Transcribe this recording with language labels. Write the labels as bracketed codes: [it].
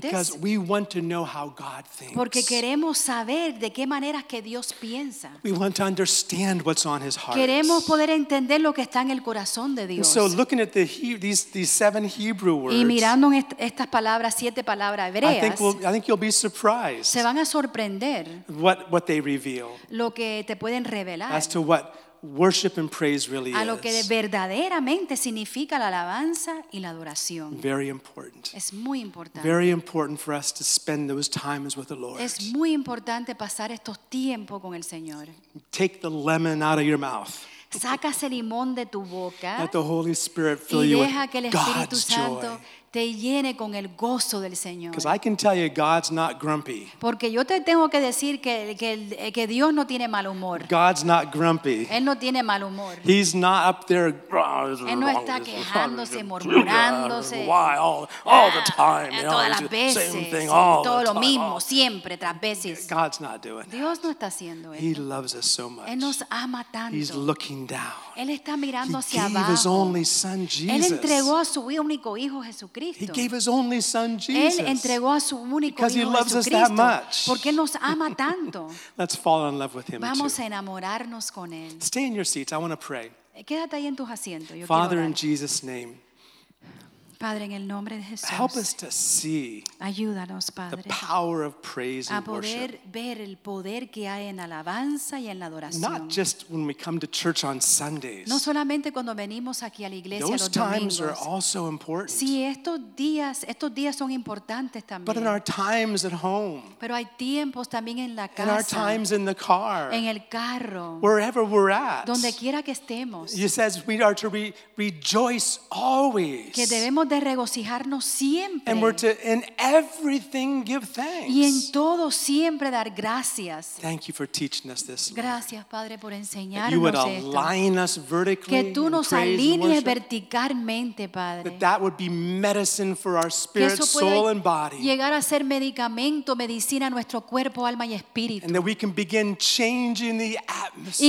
[en] Because we want to know how God thinks. [es] Porque queremos saber de qué manera que Dios piensa. [en] We want to understand what's on His heart. [es] Queremos poder entender lo que está en el corazón de Dios. [en] And so looking at these seven Hebrew words. [es] Y mirando estas palabras. Siete palabras hebreas, [en] I think you'll be surprised. [es] Se van a sorprender. [en] What they reveal. [es] Lo que te pueden revelar. [en] As to what worship and praise really is. [es] A lo que verdaderamente significa la alabanza y la adoración. [en] Very important. [es] Es muy importante. [en] Very important for us to spend those times with the Lord. [es] Es muy importante pasar estos tiempos con el Señor. [en] Take the lemon out of your mouth. [es] Saca ese limón de tu boca. [en] Let the Holy Spirit fill you with [es] que el Espíritu [en] God's [es] Santo [en] joy. [es] Te llene con el gozo del Señor. [en] Because I can tell you God's not grumpy. [es] Porque yo te tengo que decir que Dios no tiene mal humor. [en] God's not grumpy. [es] Él no tiene mal humor. [en] He's not up there. [es] Él no está quejándose, murmurándose. [en] Why all the time? [es] Todas las veces. [en] Same thing all [es] todo lo mismo, siempre, tras veces. [en] God's not doing that. [es] Dios no está haciendo eso. [en] He loves us so much. [es] Él nos ama tanto. [en] He's looking down. [es] Él está mirando hacia abajo. [en] He gave his only son, Jesus. [es] Él entregó a su único hijo, Jesucristo. [en] He gave his only son, Jesus. [es] Él entregó a su único [en] because [es] hijo, [en] he loves [es] Jesucristo, [en] us that much. [es] Porque él nos ama tanto. [en] Let's fall in love with him. [es] Vamos [en] too. [es] A enamorarnos con él. [en] Stay in your seats. I want to pray. [es] Quédate ahí en tus asientos. Yo [en] Father, in Jesus' name. [es] Padre, en el nombre de Jesús. [en] Help us to see. [es] Ayúdanos, Padre. [en] The power of praise and [es] a poder [en] worship. [es] Ver el poder que hay en alabanza y en la adoración. [en] Not just when we come to church on Sundays. [es] No solamente cuando venimos aquí a la iglesia [en] those [es] los domingos. [en] Those times are also important. [es] Sí, estos días son importantes también. [en] But in our times at home. [es] Pero hay tiempos también en la casa. [en] In our times in the car. [es] En el carro. [en] Wherever we're at. [es] Donde quiera que estemos. [en] He says we are to rejoice always. [es] Que debemos de regocijarnos siempre. [en] And we're to in everything give thanks. [es] Y en todo siempre dar gracias. [en] Thank you for teaching us this, Lord. [es] Gracias, Padre, por enseñarnos esto. [en] You would align us vertically. [es] Que tú nos alinees verticalmente, Padre. [en] That would be medicine for our spirit, soul, and body. [es] Llegar a ser medicamento, medicina a nuestro cuerpo, alma y espíritu. [en] And that we can begin changing the atmosphere.